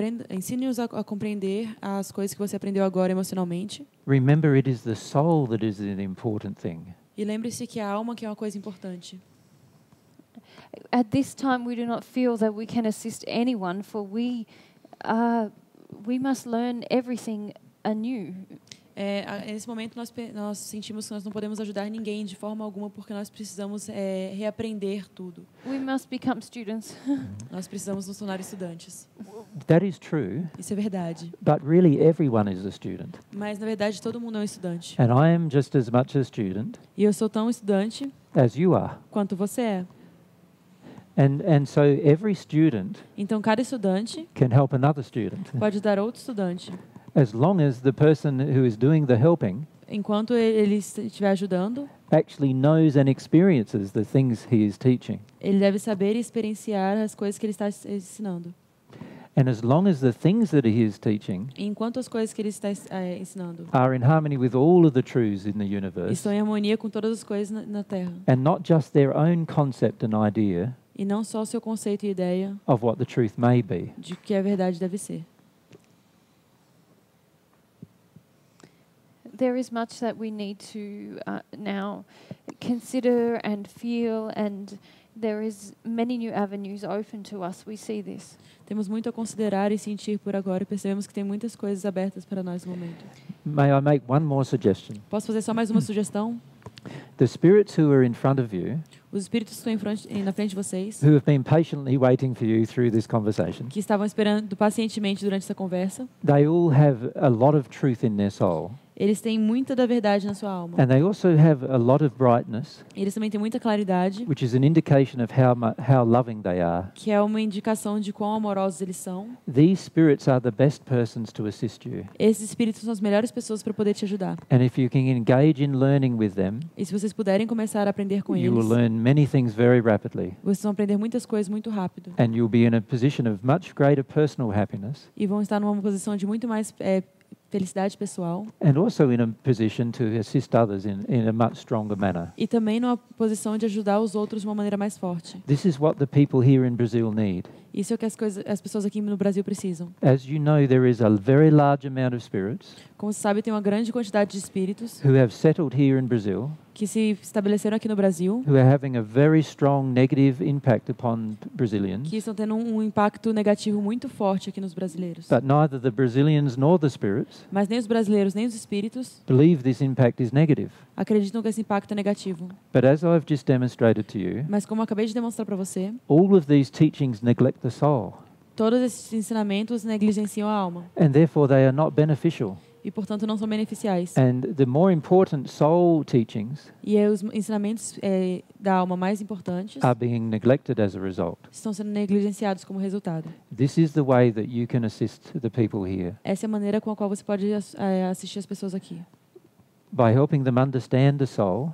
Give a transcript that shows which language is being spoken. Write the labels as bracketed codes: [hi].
[pt] Ensine-os a compreender as coisas que você aprendeu agora emocionalmente. [en] Remember, it is the soul that is an important thing. [pt] E lembre-se que a alma que é uma coisa importante. [en] At this time, we do not feel that we can assist anyone, for we must learn everything anew. [pt] Nesse momento nós sentimos que nós não podemos ajudar ninguém de forma alguma porque nós precisamos reaprender tudo. [en] We must become students. [pt] Nós precisamos nos tornar estudantes. [en] That is true. [pt] Isso é verdade. [en] But really everyone is a student. [pt] Mas na verdade todo mundo é um estudante. [en] And I am just as much a student. [pt] E eu sou tão estudante. [en] As you are. [pt] Quanto você é. [en] And so every student. [pt] Então cada estudante. [en] Can help another student. [pt] Pode ajudar outro estudante. [en] As long as the person who is doing the helping, [pt] enquanto ele estiver ajudando, [en] actually knows and experiences the things he is teaching. [pt] Ele deve saber e experienciar as coisas que ele está ensinando. [en] And as long as the things that he is teaching, [pt] enquanto as coisas que ele está ensinando, [en] are in harmony with all of the truths in the universe, [pt] estão em harmonia com todas as coisas na Terra, [en] and not just their own concept and idea, [pt] e não só seu conceito e ideia, [en] of what the truth may be, [pt] de que a verdade deve ser. [en] there is much that we need to now consider and feel, and there is many new avenues open to us. We see this. [pt] Temos muito a considerar e sentir por agora, e percebemos que tem muitas coisas abertas para nós no momento. [en] May I make one more suggestion? [pt] Posso fazer só mais uma sugestão? [en] The spirits who are in front of you, [pt] os espíritos que estão na frente de vocês, [en] who have been patiently waiting for you through this conversation, [pt] que estavam esperando pacientemente durante essa conversa, [en] they all have a lot of truth in their soul. [pt] Eles têm muita da verdade na sua alma. [en] And they also have a lot of brightness. [pt] Eles também têm muita claridade. [en] Which is an indication of how loving they are. [pt] Que é uma indicação de quão amorosos eles são. [en] These spirits are the best persons to assist you. [pt] Esses espíritos são as melhores pessoas para poder te ajudar. [en] And if you can engage in learning with them. [pt] E se vocês puderem começar a aprender com [en] you [pt] eles. [en] You will learn many things very rapidly. [pt] Vocês vão aprender muitas coisas muito rápido. [en] And you'll be in a position of much greater personal happiness. [pt] E vão estar numa posição de muito mais felicidade pessoal. [en] And also in a position to assist others in a much stronger manner. [pt] E também numa posição de ajudar os outros de uma maneira mais forte. [en] This is what the people here in Brazil need. [pt] Isso é o que as pessoas aqui no Brasil precisam. [en] As you know, there is a very large amount of spirits. [pt] Como se sabe, tem uma grande quantidade de espíritos. [en] Who have settled here in Brazil. [pt] Que se estabeleceram aqui no Brasil. [en] Who are having a very strong negative impact upon Brazilians. [pt] Que estão tendo um impacto negativo muito forte aqui nos brasileiros. [en] But neither the Brazilians nor the spirits. [pt] Mas nem os brasileiros nem os espíritos. [en] Believe this impact is negative. [pt] Acreditam que esse impacto é negativo. [en] But as I've just demonstrated to you. [pt] Mas como acabei de demonstrar para você. [en] All of these teachings neglect the soul. [pt] Todos esses ensinamentos negligenciam a alma. [en] And therefore they are not beneficial. [pt] E portanto não são beneficiais. [en] And the more important soul teachings, [pt] e os ensinamentos da alma mais importantes, [en] are being neglected as a result. [pt] Estão sendo negligenciados como resultado. [en] This is the way that you can assist the people here. [pt] Essa é a maneira com a qual você pode assistir as pessoas aqui. [en] By helping them understand the soul,